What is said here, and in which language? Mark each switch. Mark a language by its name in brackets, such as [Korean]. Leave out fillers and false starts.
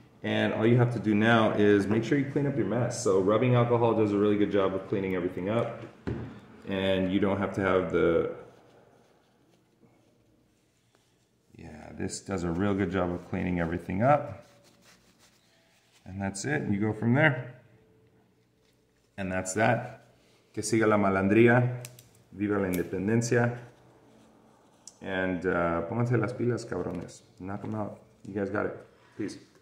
[English] And all you have to do now is make sure you clean up your mess. So rubbing alcohol does a really good job of cleaning everything up. And you don't have to have the... Yeah, this does a real good job of cleaning everything up. And that's it, you go from there. And that's that. [Spanish] Que siga la malandría, viva la independencia. [English] And [Spanish] ponte las pilas, cabrones. [English] Knock them out. You guys got it. Peace.